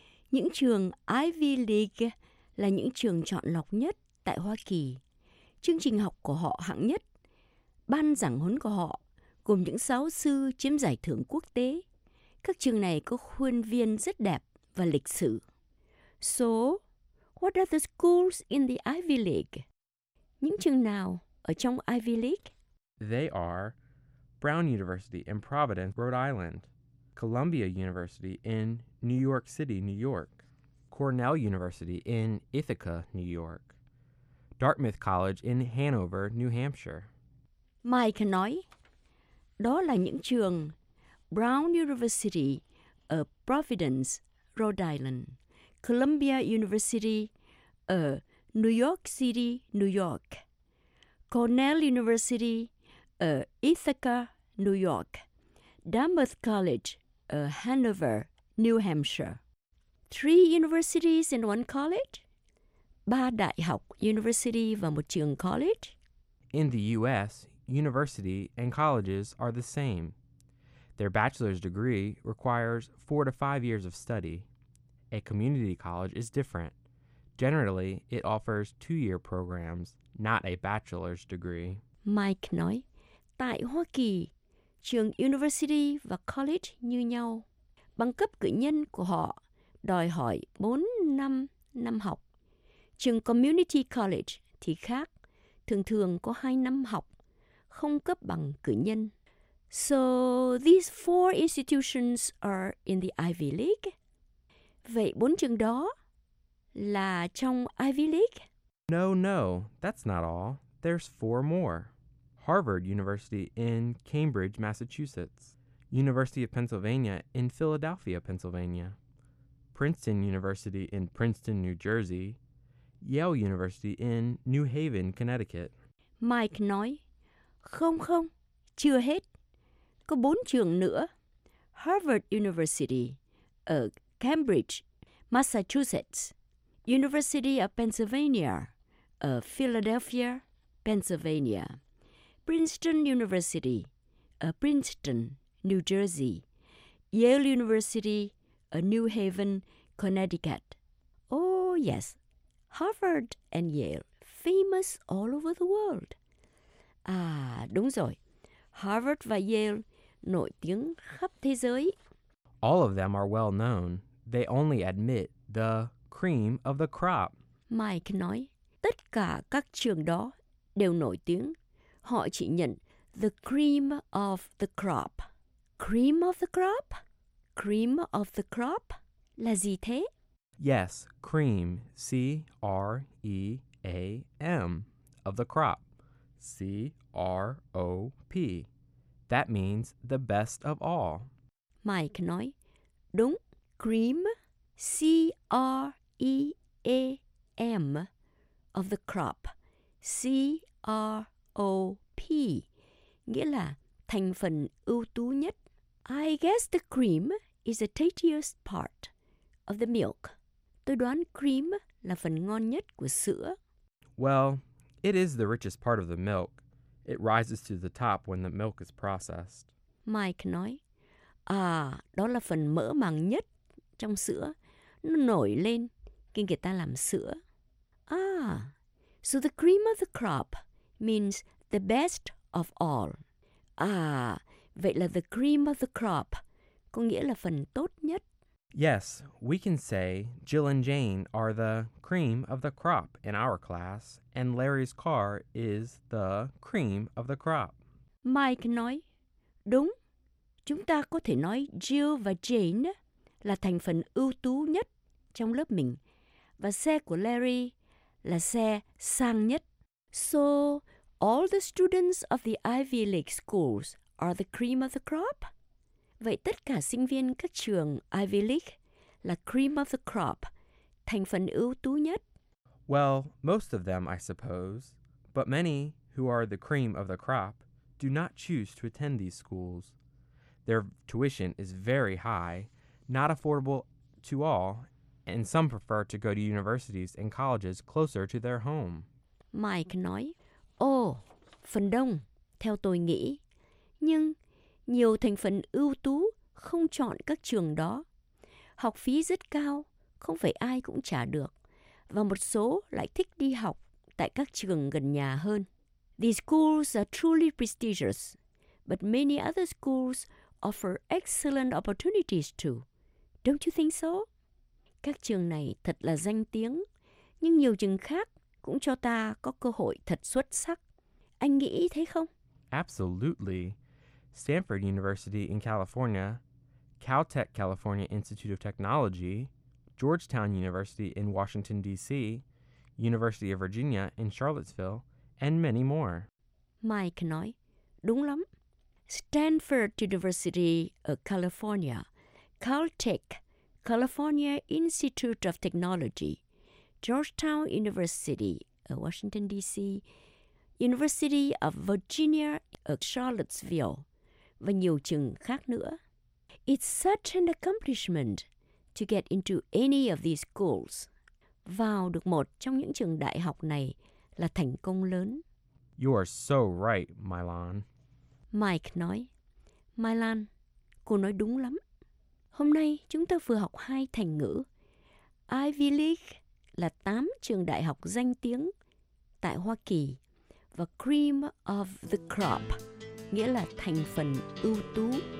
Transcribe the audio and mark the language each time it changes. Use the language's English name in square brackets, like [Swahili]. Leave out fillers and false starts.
[Vietnamese] Những trường Ivy League là những trường chọn lọc nhất tại Hoa Kỳ. Chương trình học của họ hạng nhất. Ban giảng huấn của họ gồm những giáo sư chiếm giải thưởng quốc tế. Các trường này có khuôn viên rất đẹp và lịch sử. [English] So, what are the schools in the Ivy League? [Vietnamese] Những trường nào ở trong Ivy League? [English] They are Brown University in Providence, Rhode Island. Columbia University in New York City, New York. Cornell University in Ithaca, New York. Dartmouth College in Hanover, New Hampshire. [Vietnamese] Mike nói, đó là những trường Brown University ở Providence, Rhode Island, Columbia University ở New York City, New York, Cornell University ở Ithaca, New York, Dartmouth College ở Hanover, New Hampshire. [English] Three universities in one college? [Vietnamese] Ba đại học, university và một trường college? [English] In the U.S., university and colleges are the same. Their bachelor's degree requires 4 to 5 years of study. A community college is different. Generally, it offers 2-year programs, not a bachelor's degree. [Vietnamese] Mike nói, tại Hoa Kỳ, trường university và college như nhau. Bằng cấp cử nhân của họ đòi hỏi 4 năm học. Trường Community College thì khác, thường thường có 2 năm học, không cấp bằng cử nhân. [English] So, these 4 institutions are in the Ivy League? [Vietnamese] Vậy 4 trường đó là trong Ivy League? [English] No, no, that's not all. There's 4 more. Harvard University in Cambridge, Massachusetts. University of Pennsylvania in Philadelphia, Pennsylvania. Princeton University in Princeton, New Jersey. Yale University in New Haven, Connecticut. [Vietnamese] Mike nói, không không, chưa hết. Có 4 trường nữa. Harvard University ở Cambridge, Massachusetts. University of Pennsylvania ở Philadelphia, Pennsylvania. Princeton University ở Princeton, New Jersey. Yale University ở New Haven, Connecticut. [English] Oh, yes. Harvard and Yale, famous all over the world. [Vietnamese] À, đúng rồi. Harvard và Yale nổi tiếng khắp thế giới. [English] All of them are well known. They only admit the cream of the crop. [Vietnamese] Mike nói, tất cả các trường đó đều nổi tiếng. Họ chỉ nhận [English] the cream of the crop. Cream of the crop? Cream of the crop? [Vietnamese] Là gì thế? [English] Yes, cream, C-R-E-A-M, of the crop, C-R-O-P. That means the best of all. [Vietnamese] Mike nói, đúng, cream, C-R-E-A-M, of the crop, C-R-O-P, nghĩa là thành phần ưu tú nhất. [English] I guess the cream is the tastiest part of the milk. [Vietnamese] Tôi đoán cream là phần ngon nhất của sữa. [English] Well, it is the richest part of the milk. It rises to the top when the milk is processed. [Vietnamese] Mike nói, à, đó là phần mỡ màng nhất trong sữa. Nó nổi lên khi người ta làm sữa. [English] Ah, so the cream of the crop means the best of all. [Vietnamese] Ah, vậy là [English] the cream of the crop [Vietnamese] có nghĩa là phần tốt nhất. [English] Yes, we can say Jill and Jane are the cream of the crop in our class, and Larry's car is the cream of the crop. [Vietnamese] Mike nói, đúng, chúng ta có thể nói Jill và Jane là thành phần ưu tú nhất trong lớp mình, và xe của Larry là xe sang nhất. [English] So, all the students of the Ivy League schools are the cream of the crop? [Vietnamese] Vậy tất cả sinh viên các trường Ivy League là [English] cream of the crop, [Vietnamese] thành phần ưu tú nhất? [English] Well, most of them, I suppose. But many, who are the cream of the crop, do not choose to attend these schools. Their tuition is very high, not affordable to all, and some prefer to go to universities and colleges closer to their home. [Vietnamese] Mike nói, oh, phần đông, theo tôi nghĩ. Nhưng nhiều thành phần ưu tú không chọn các trường đó. Học phí rất cao, không phải ai cũng trả được. Và một số lại thích đi học tại các trường gần nhà hơn. [English] These schools are truly prestigious, but many other schools offer excellent opportunities too. Don't you think so? [Vietnamese] Các trường này thật là danh tiếng, nhưng nhiều trường khác cũng cho ta có cơ hội thật xuất sắc. Anh nghĩ thế không? [English] Absolutely. Stanford University in California, Caltech California Institute of Technology, Georgetown University in Washington, D.C., University of Virginia in Charlottesville, and many more. [Vietnamese] Mike nói, đúng lắm. Stanford University of California, Caltech California Institute of Technology, Georgetown University of Washington, D.C., University of Virginia of Charlottesville, và nhiều trường khác nữa. [English] It's such an accomplishment to get into any of these schools. [Vietnamese] Vào được một trong những trường đại học này là thành công lớn. [English] You are so right, Milan. [Vietnamese] Mike nói, Milan, cô nói đúng lắm. Hôm nay chúng ta vừa học hai thành ngữ. Ivy League là 8 trường đại học danh tiếng tại Hoa Kỳ và [English] cream of the crop, [Vietnamese] nghĩa là thành phần ưu tú.